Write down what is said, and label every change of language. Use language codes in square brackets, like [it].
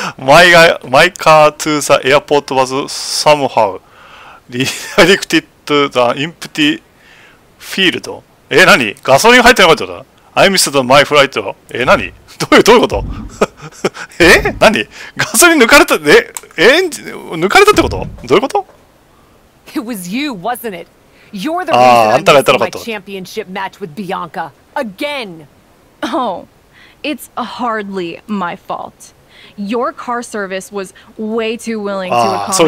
[en] My car to the airport was somehow redirected to the empty field. [ja] え、何？ガソリン入ってなかったの？ [en] I missed my flight. [ja] え、何？どういうこと？え、何？ガソリン抜かれた、え、エンジン抜かれたってこと？どういうこと？ [en] It was you, wasn't it? You're the reason I missed my championship match with Bianca again. Oh, it's hardly my fault. Your car service was way too willing to accommodate.